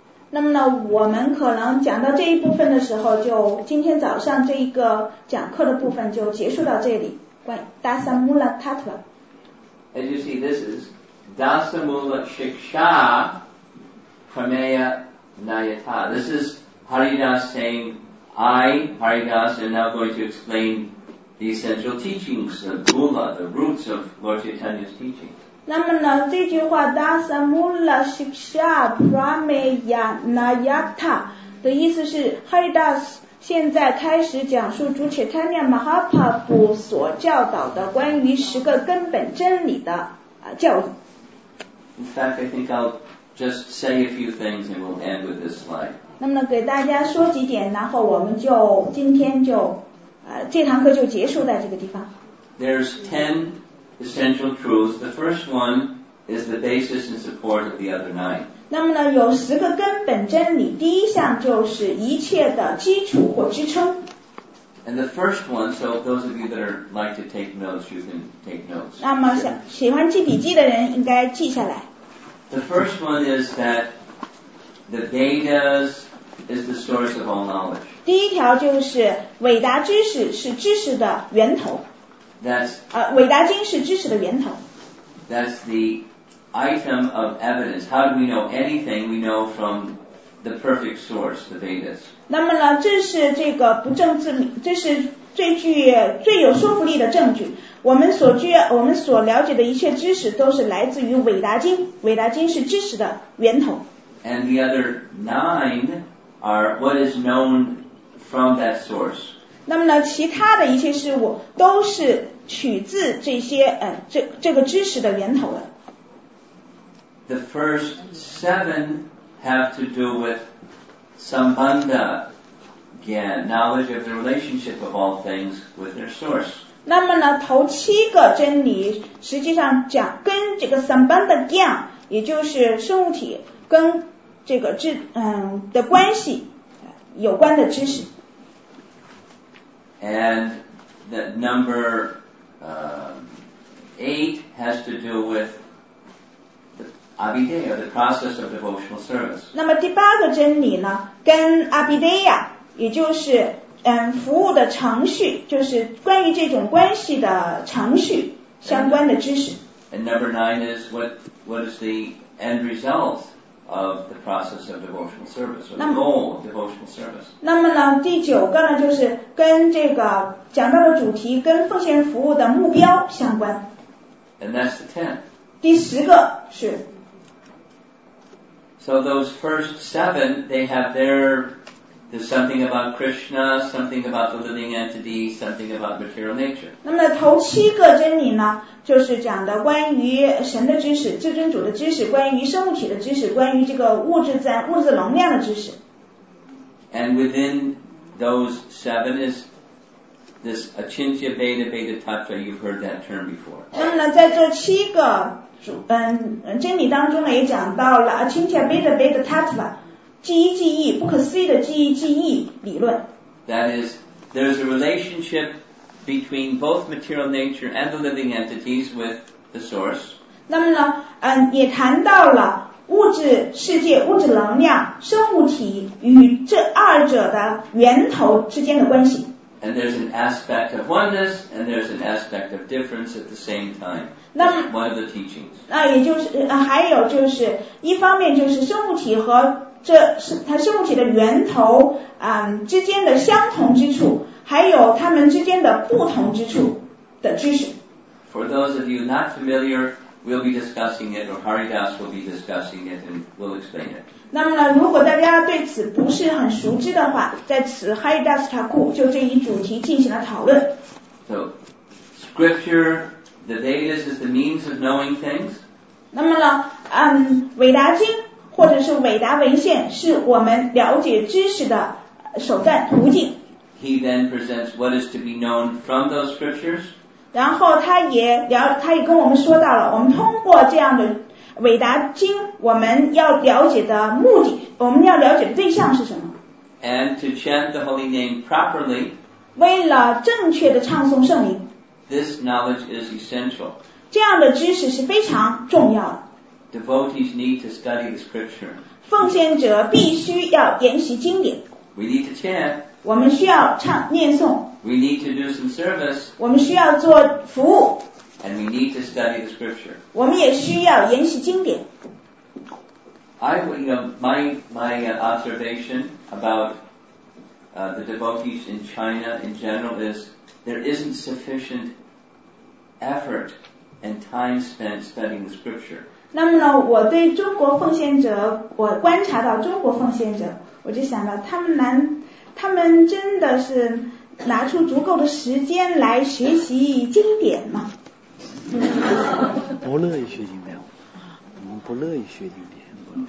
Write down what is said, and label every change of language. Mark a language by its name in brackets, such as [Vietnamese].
[Chinese] 那么呢我们可能讲到这一部分的时候就今天早上这一个讲课的部分就结束到这里。 [English] Dasamula Tattva. As you see, this is Dasamula Shiksha Prameya Nayata. This is Haridas saying, I, Haridas, am now going to explain the essential teachings, the Mula, the roots of Lord Chaitanya's teaching. [Chinese] 那么呢这句话 Dasamula Shiksha Prameya Nayata 的意思是 Haridas现在开始讲述主切坦尼亚马哈帕布所教导的关于十个根本真理的教义。 [English] In fact, I think I'll just say a few things and we'll end with this slide. [Chinese] 那么呢给大家说几点然后我们就今天就这堂课就结束在这个地方。 [English] There's 10 essential truths. The first one is the basis and support of the other 9. [Chinese] 那么呢有十个根本真理第一项就是一切的基础或支撑。 [English] And the first one, so those of you that are like to take notes, you can take notes. [Chinese] 那么喜欢记笔记的人应该记下来。 [English] The first one is that the Vedas is the source of all knowledge. [Chinese] 第一条就是伟达知识是知识的源头。伟达经是知识的源头。 [English] That's the item of evidence. How do we know anything? We know from the perfect source, the Vedas. [Chinese] 那么呢，这是这个不证自明，这是最具最有说服力的证据。我们所了解的一切知识都是来自于伟达经。伟达经是知识的源头。 [English] And the other 9 are what is known from that source. [Chinese] 那么呢，其他的一些事物都是取自这些这个知识的源头的。 [English] The first seven have to do with sambandha, again, knowledge of the relationship of all things with their source. [Chinese] 那么呢，头七个真理实际上讲跟这个 sambandha gyan, 也就是生物体跟这个的关系有关的知识。 [English] And the number eight has to do with Abhideya, the process of devotional service. [Chinese] 那么第八个真理呢，跟 Abhideya, 也就是服务的程序，就是关于这种关系的程序相关的知识。 [English] And number nine is what is the end result of the process of devotional service, or the goal of devotional service. [Chinese] 那么呢，第九个呢，就是跟这个讲到的主题跟奉献服务的目标相关。 [English] And that's the tenth. [Chinese] 第十个是。 [English] So those first seven, they have there's something about Krishna, something about the living entity, something about material nature. [Chinese] 那么头七个真理呢，就是讲的关于神的知识、至尊主的知识、关于生物体的知识、关于这个物质在物质能量的知识。 [English] And within those seven is this achintya beta beta tatra. You've heard that term before. [Chinese] 那么呢，在这七个真理当中呢，也讲到了 achintya beta beta tatra。记忆记忆，不可思议的记忆记忆理论。 [English] That is, there is a relationship between both material nature and the living entities with the source. [Chinese] 那么呢，也谈到了物质世界、物质能量、生物体与这二者的源头之间的关系。 [English] And there's an aspect of oneness, and there's an aspect of difference at the same time. That's one of the teachings. [Chinese] 那也就是还有就是一方面就是生物体和这是它生物体的源头之间的相同之处，还有它们之间的不同之处的知识。 [English] For those of you not familiar, we'll be discussing it, or Haridas will be discussing it, and we'll explain it. [Chinese] 那么呢，如果大家对此不是很熟知的话，在此 Haridas Thakur 就这一主题进行了讨论。 [English] So, scripture, the Vedas is the means of knowing things. [Chinese] 那么呢，伟达经。或者是伟达文献是我们了解知识的手段途径。 [English] He then presents what is to be known from those scriptures. [Chinese] 然后他也跟我们说到了，我们通过这样的伟达经，我们要了解的目的，我们要了解的对象是什么。 [English] And to chant the holy name properly. [Chinese] 为了正确的唱诵圣名。 [English] This knowledge is essential. [Chinese] 这样的知识是非常重要的。 [English] Devotees need to study the scripture. [Chinese] 奉献者必须要研习经典。 [English] We need to chant. [Chinese] 我们需要唱念诵。 [English] We need to do some service. [Chinese] 我们需要做服务。 [English] And we need to study the scripture. [Chinese] 我们也需要研习经典。 [English] My observation about the devotees in China in general is there isn't sufficient effort and time spent studying the scripture. [Chinese] 那么呢，我对中国奉献者，我观察到中国奉献者，我就想到他们真的是拿出足够的时间来学习经典吗？不乐意学经典，我们不乐意学经典。